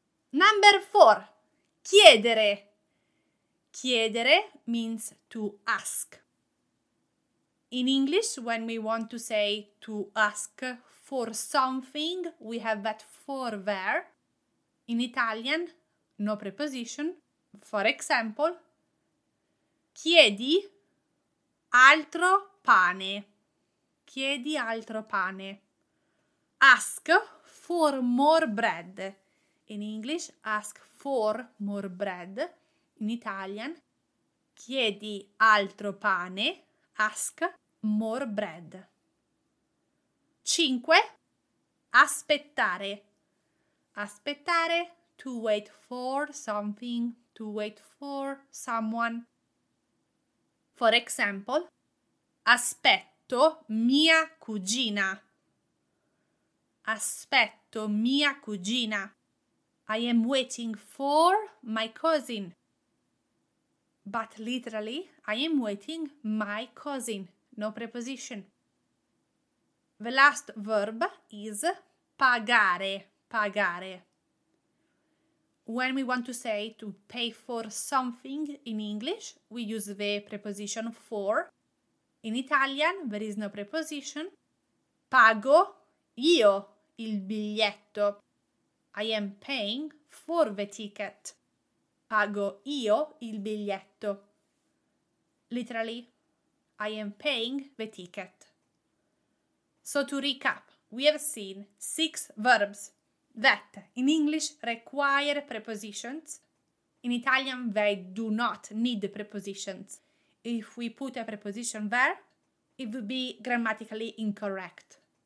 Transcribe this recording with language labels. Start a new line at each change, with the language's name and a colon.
English: Number four,
Italian: chiedere. Chiedere
English: means to ask. In English, when we want to say to ask for something, we have that for there. In Italian, no preposition. For example,
Italian: chiedi altro pane. Chiedi altro pane.
English: Ask for more bread. In English, ask for more bread. In Italian,
Italian: chiedi altro pane.
English: Ask more bread. 5.
Italian: Aspettare. Aspettare,
English: to wait for something, to wait for someone. For example,
Italian: aspetto mia cugina. Aspetto mia cugina.
English: I am waiting for my cousin. But literally, I am waiting my cousin. No preposition. The last verb is
Italian: pagare. Pagare.
English: When we want to say to pay for something in English, we use the preposition for. In Italian, there is no preposition.
Italian: Pago io il biglietto.
English: I am paying for the ticket.
Italian: Pago io il biglietto.
English: Literally, I am paying the ticket. So to recap, we have seen 6 verbs that in English require prepositions. In Italian, they do not need the prepositions. If we put a preposition there, it would be grammatically incorrect.